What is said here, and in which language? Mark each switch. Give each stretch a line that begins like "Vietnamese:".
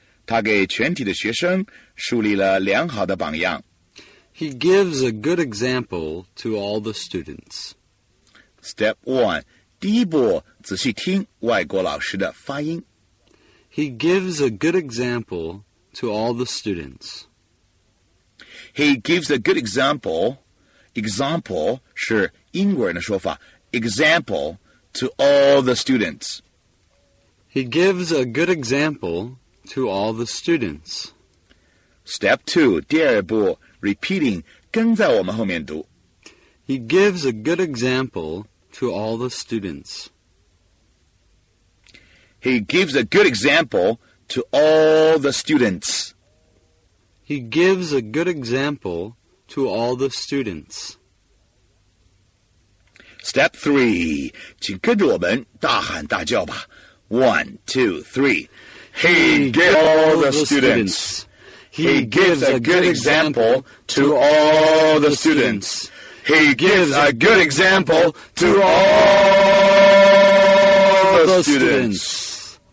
Chinese: 他给全体的学生树立了良好的榜样。
English: He gives a good example to all the students. Step 1.
Chinese: 第一步,仔细听外国老师的发音。
English: He gives a good example to all the students. He gives a good example, example
Chinese: 是英国人的说法,
English: example to all the students. He gives a good example to all the students. Step 2.
Chinese: 第二步, repeating, 跟在我们后面读。
English: He gives a good example... to all the students. He gives a good example to all the students. He gives a good example to all the students. Step 3.
Chinese: 请跟着我们大喊大叫吧。
English: One, two, three. He gives all the students. He gives a good example to all the students. He gives a good example to all the students.